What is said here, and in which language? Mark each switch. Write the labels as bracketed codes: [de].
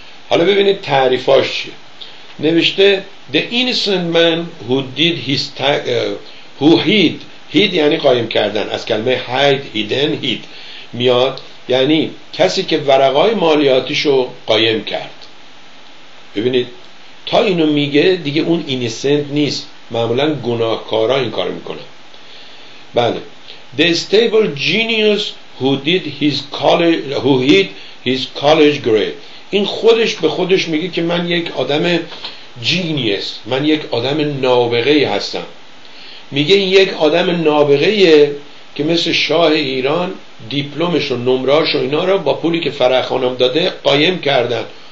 [fa] حالا ببینید تعریفاش چیه. نوشته [en] the innocent man who did his who hid [fa] یعنی قایم کردن، از کلمه [en] hide hidden hid [fa] میاد، یعنی کسی که ورقای مالیاتیشو قایم کرد. ببینید تا اینو میگه دیگه اون innocent نیست، معمولا گناهکارا این کار میکنن. بله، [en] the stable genius who did his college who hid his college grade. [fa] این خودش به خودش میگه که من یک آدم جینیس، من یک آدم نابغه هستم. میگه این یک آدم نابغه که مثل شاه ایران دیپلمش و نمره‌اش و اینا رو با پولی که فرخانم داده قایم کردن.